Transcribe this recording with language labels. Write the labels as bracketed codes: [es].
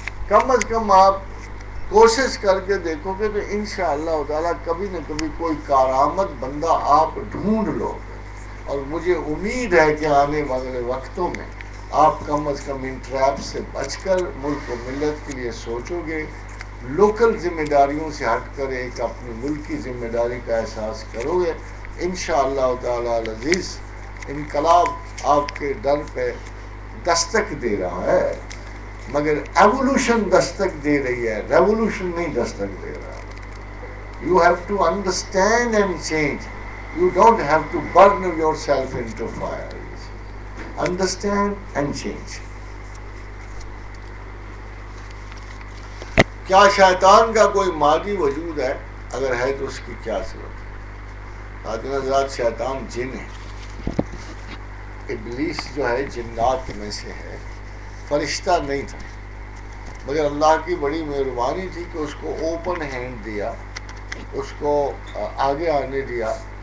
[ur] کم از کم آپ کوشش کر کے دیکھو گے تو ان شاء اللہ تعالیٰ کبھی نہ کبھی کوئی کارآمد بندہ آپ ڈھونڈ لو گے. اور مجھے امید ہے کہ آنے والے وقتوں میں آپ کم از کم ان ٹریپ سے بچ کر ملک و ملت کے لیے سوچو گے, لوکل ذمہ داریوں سے ہٹ کر ایک اپنی ملک کی ذمہ داری کا احساس کرو گے. ان شاء اللہ تعالیٰ العزیز انقلاب آپ کے در پہ دستک دے رہا ہے, مگر ایولوشن دستک دے رہی ہے, ریولوشن نہیں دستک دے رہا. [en] You have to understand and change, you don't have to burn yourself into fire. Understand and change. [ur] کیا شیطان کا کوئی مادی وجود ہے؟ اگر ہے تو اس کی کیا ضرورت ہے؟ خاتون حضرات, شیطان جن ہے, ابلیس جو ہے جنات میں سے ہے, فرشتہ نہیں تھا, مگر اللہ کی بڑی مہربانی تھی کہ اس کو اوپن ہینڈ دیا, اس کو آگے آنے دیا.